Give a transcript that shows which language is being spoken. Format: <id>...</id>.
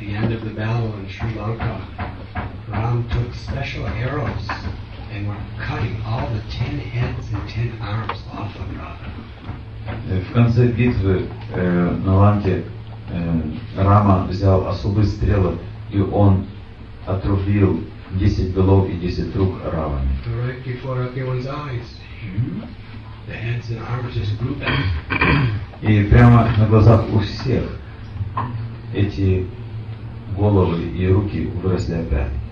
<en>Of the battle in Sri Lanka, Ram took special arrows and were cutting all the 10 heads and 10 arms off of Ravana.</en> <ru>В конце битвы на Ланке Рама взял особые стрелы и он отрубил 10 голов и 10 рук Раваны.</ru> <en>Right before everyone's eyes, the heads and arms just grew back.</en> <ru>И прямо на глазах у всех эти головы и руки выросли опять.</ru>